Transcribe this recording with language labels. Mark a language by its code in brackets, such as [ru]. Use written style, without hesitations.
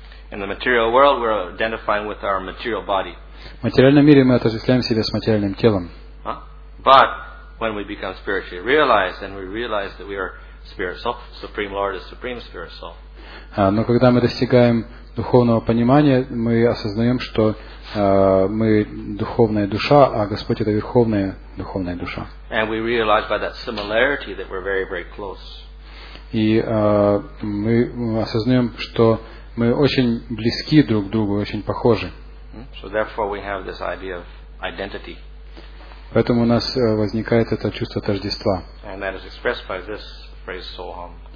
[en] In the material world, we're identifying with our material body. [ru] В материальном мире мы отождествляем себя с материальным телом. [en] But when we become spiritually realized, then we realize that we are spirit soul. Supreme Lord is supreme spirit soul. [ru] Но когда мы достигаем духовного понимания, мы осознаем, что мы духовная душа, а Господь это верховная духовная душа. [en] And we realize by that similarity that we're very, very close. [ru] И мы осознаем, что мы очень близки друг к другу, очень похожи. [en] So therefore we have this idea of identity. [ru] Поэтому у нас возникает это чувство тождества. [en] And that is expressed by this phrase, soham.